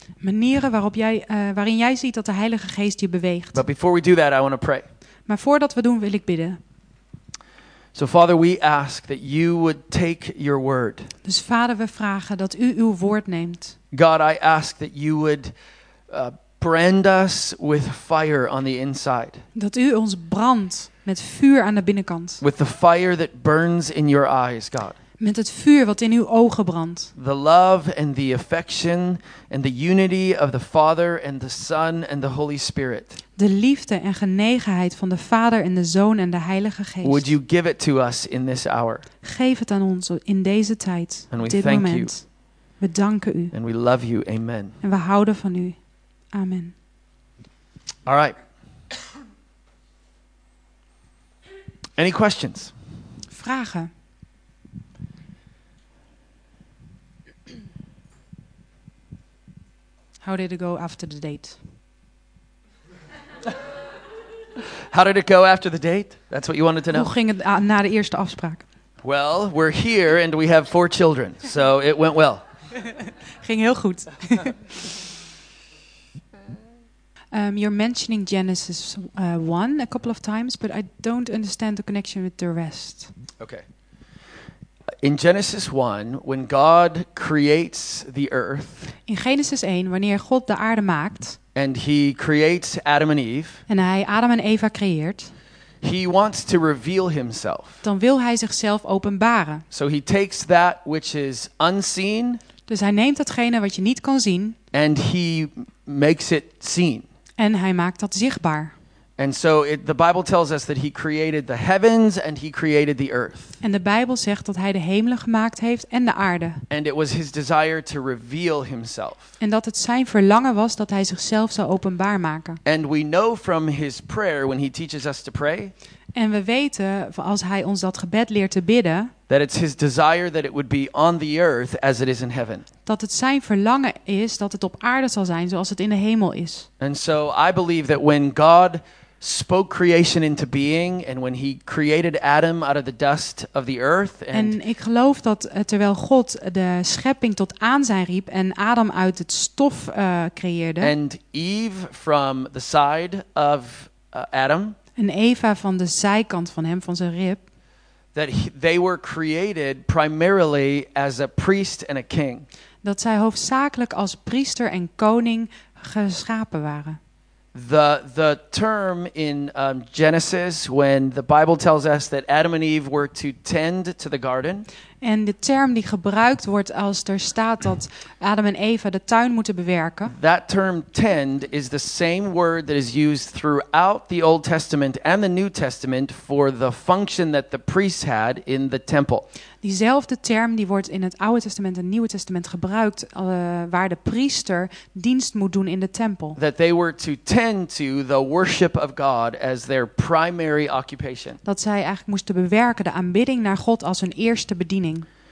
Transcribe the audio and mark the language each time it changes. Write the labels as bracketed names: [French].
[Dutch] Manieren waarop jij, waarin jij ziet dat de Heilige Geest je beweegt. [English] But before we do that, I want to pray. [Dutch] Maar voordat we doen, wil ik bidden. [English] So Father, we ask that you would take your word. [Dutch] Dus Vader, we vragen dat u uw woord neemt. [English] God, I ask that you would brand us with fire on the inside. [Dutch] Dat u ons brandt met vuur aan de binnenkant. [English] With the fire that burns in your eyes, God. [Dutch] Met het vuur wat in uw ogen brandt. [English] The love and the affection and the unity of the Father and the Son and the Holy Spirit. [Dutch] De liefde en genegenheid van de Vader en de Zoon en de Heilige Geest. [English] Would you give it to us in this hour? [Dutch] Geef het aan ons in deze tijd, [English] and we [Dutch] dit [English] thank [Dutch] moment. [English] You. [Dutch] We danken u. [English] And we love you. Amen. [Dutch] En we houden van u. Amen. [English] All right. Any questions? [Dutch] Vragen. [English] How did it go after the date? How did it go after the date? That's what you wanted to know. [Dutch] Hoe ging het na de eerste afspraak? [English] Well, we're here and we have four children, so it went well. [Dutch] Ging heel goed. [English] You're mentioning Genesis 1 a couple of times, but I don't understand the connection with the rest. Okay. In Genesis 1, when God creates the earth. [Dutch] In Genesis 1, wanneer God de aarde maakt. [English] And he creates Adam and Eve. [Dutch] En hij Adam en Eva creëert. [English] He wants to reveal himself. [Dutch] Dan wil hij zichzelf openbaren. [English] So he takes that which is unseen. [Dutch] Dus hij neemt datgene wat je niet kan zien. [English] And he makes it seen. [Dutch] En hij maakt dat zichtbaar. [English] And so the Bible tells us that he created the heavens and he created the earth. [Dutch] En de Bijbel zegt dat hij de hemelen gemaakt heeft en de aarde. [English] And it was his desire to reveal himself. [Dutch] En dat het zijn verlangen was dat hij zichzelf zou openbaar maken. [English] And we know from his prayer when he teaches us to pray. [Dutch] En we weten als hij ons dat gebed leert te bidden. [English] That it's his desire that it would be on the earth as it is in heaven. [Dutch] Dat het zijn verlangen is dat het op aarde zal zijn zoals het in de hemel is. [English] And so I believe that when God spoke creation into being and when he created Adam out of the dust of the earth and [Dutch] en ik geloof dat terwijl God de schepping tot aanzijn riep en Adam uit het stof creëerde [English] and Eve from the side of Adam [Dutch] en Eva van de zijkant van hem van zijn rib [English] that they were created primarily as a priest and a king [Dutch] dat zij hoofdzakelijk als priester en koning geschapen waren. [English] The term in Genesis when the Bible tells us that Adam and Eve were to tend to the garden. [Dutch] En de term die gebruikt wordt als er staat dat Adam en Eva de tuin moeten bewerken. [English] That term tend is the same word that is used throughout the Old Testament and the New Testament for the function that the priests had in the temple. [Dutch] Diezelfde term die wordt in het Oude Testament en Nieuwe Testament gebruikt waar de priester dienst moet doen in de tempel. [English] That they were to tend to the worship of God as their primary occupation. [Dutch] Dat zij eigenlijk moesten bewerken de aanbidding naar God als hun eerste bediening.